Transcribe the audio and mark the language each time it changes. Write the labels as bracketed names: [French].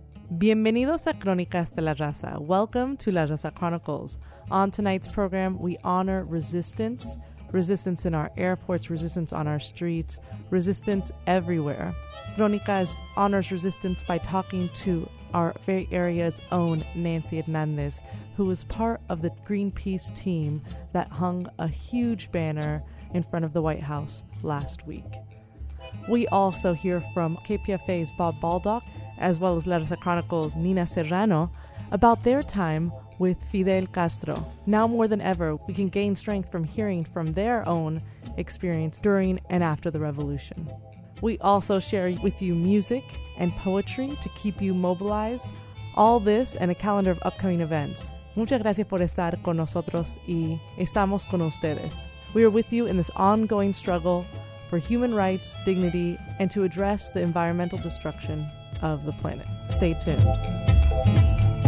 [Spanish] Bienvenidos a Crónicas de la Raza. [English] Welcome to La Raza Chronicles. On tonight's program, we honor resistance. Resistance in our airports, resistance on our streets, resistance everywhere. Crónicas honors resistance by talking to our Bay Area's own Nancy Hernandez, who was part of the Greenpeace team that hung a huge banner in front of the White House last week. We also hear from KPFA's Bob Baldock, as well as La Raza Chronicles' Nina Serrano, about their time with Fidel Castro. Now more than ever, we can gain strength from hearing from their own experience during and after the revolution. We also share with you music and poetry to keep you mobilized. All this and a calendar of upcoming events. [Spanish] Muchas gracias por estar con nosotros y estamos con ustedes. [English] We are with you in this ongoing struggle for human rights, dignity, and to address the environmental destruction of the planet. Stay tuned.